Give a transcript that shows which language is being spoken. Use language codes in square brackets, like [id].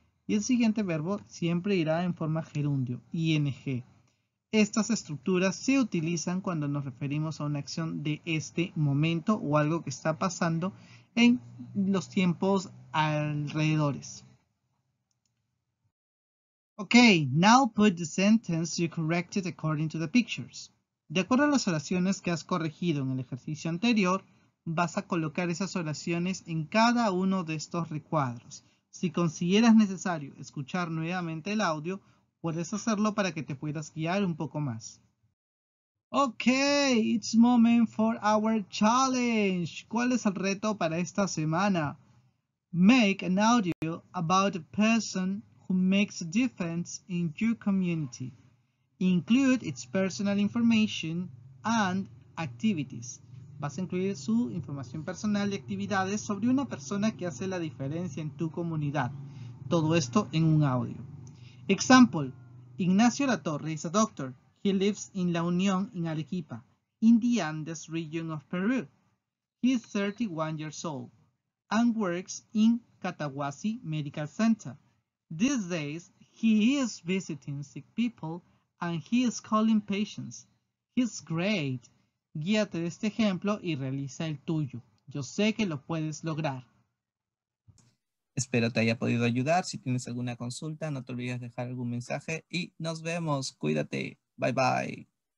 [es] Y el siguiente verbo siempre irá en forma gerundio, ing. Estas estructuras se utilizan cuando nos referimos a una acción de este momento o algo que está pasando en los tiempos alrededores. [en] Ok, now put the sentence you corrected according to the pictures. [es] De acuerdo a las oraciones que has corregido en el ejercicio anterior, vas a colocar esas oraciones en cada uno de estos recuadros. Si consideras necesario escuchar nuevamente el audio, puedes hacerlo para que te puedas guiar un poco más. [en] Ok, it's moment for our challenge. [es] ¿Cuál es el reto para esta semana? [en] Make an audio about a person who makes a difference in your community. Include its personal information and activities. [es] Vas a incluir su información personal y actividades sobre una persona que hace la diferencia en tu comunidad. Todo esto en un audio. [en] Example: Ignacio Latorre is a doctor. He lives in La Unión, in Arequipa, in the Andes region of Peru. He is 31 years old and works in Catahuasi Medical Center. These days, he is visiting sick people and he is calling patients. He's great. [es] Guíate de este ejemplo y realiza el tuyo. Yo sé que lo puedes lograr. Espero te haya podido ayudar. Si tienes alguna consulta, no te olvides de dejar algún mensaje y nos vemos. Cuídate. [en] Bye bye.